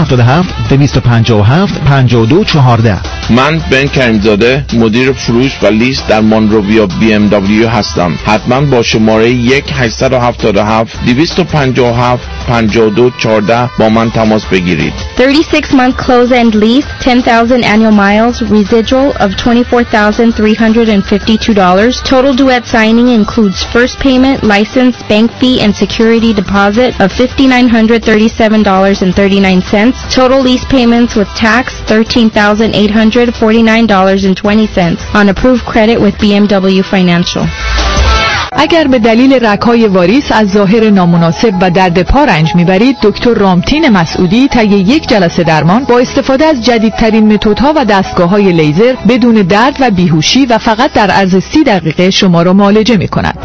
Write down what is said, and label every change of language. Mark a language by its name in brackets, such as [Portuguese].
[Persian] 1-877-257-5214. من بن کریمزاده مدیر فروش و لیز در مونروویا BMW هستم. حتما با شماره 1-877-257-5214 با من تماس بگیرید. [English] 36 month close and lease, 10,000 annual miles, residual of $24,352. Total due at signing includes first payment, license, bank fee and security deposit of $5,937.39. Total lease payments with tax $13,849.20 on approved credit with BMW Financial. [Persian] اگر به دلیل رگ‌های واریس از ظاهر نامناسب و درد پا رنج می‌برید، دکتر رامتین مسعودی طی 1 جلسه درمان با استفاده از جدیدترین متدها و دستگاه‌های لیزر بدون درد و بیهوشی و فقط در عرض 30 دقیقه شما را معالجه می‌کند.